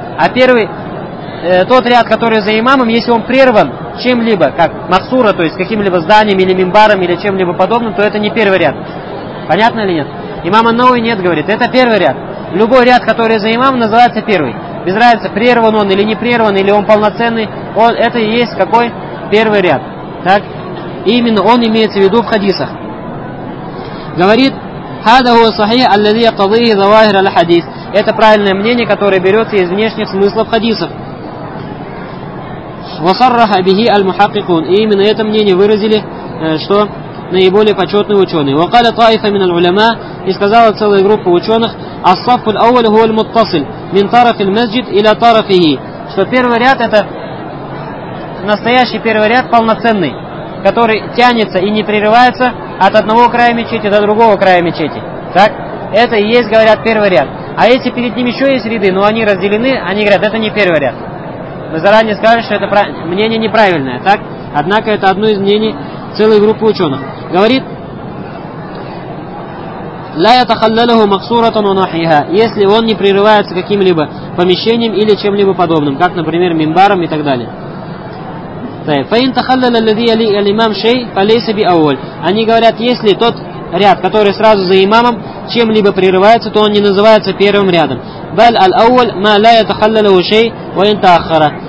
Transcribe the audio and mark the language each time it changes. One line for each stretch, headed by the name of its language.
Russian: А первый – тот ряд, который за имамом, если он прерван чем-либо, как махсура, то есть каким-либо зданием или мимбаром, или чем-либо подобным, то это не первый ряд. Понятно или нет? Имам Ан-Науи нет, говорит, это первый ряд. Любой ряд, который за имамом, называется первый. Без разницы, прерван он или не прерван, или он полноценный, он, это и есть какой? Первый ряд. Так? Именно он имеется в виду в хадисах. Говорит,
Arabic: هذا هو صحيح الذي يقتضيه ظواهر الحديث.
Russian: Это правильное мнение, которое берется из внешних смыслов хадисов.
Arabic: وصرح به المحققون.
Russian: И именно это мнение выразили, что наиболее почетные ученые.
Arabic: وقال طائفة من العلماء.
Russian: И сказала целая группа ученых.
Arabic: الصف الأول هو المتصل من طرف المسجد إلى طرفه.
Russian: Что первый ряд — это настоящий первый ряд, полноценный, который тянется и не прерывается от одного края мечети до другого края мечети. Так? Это и есть, говорят, первый ряд. А если перед ним еще есть ряды, но они разделены, они говорят, это не первый ряд. Мы заранее сказали, что это мнение неправильное. Так? Однако это одно из мнений целой группы ученых. Говорит,
Arabic: لا يتخلله مقصورة ونحيها.
Russian: Если он не прерывается каким-либо помещением или чем-либо подобным, как, например, мимбаром и так далее.
Arabic: فإن تخلل الذي يلي الإمام شيء فليس بأول.
Russian: Они говорят, если тот ряд, который сразу за имамом, чем-либо прерывается, то он не называется первым рядом.
Arabic: بل الأول ما لا يتخلله شيء وإن تأخر.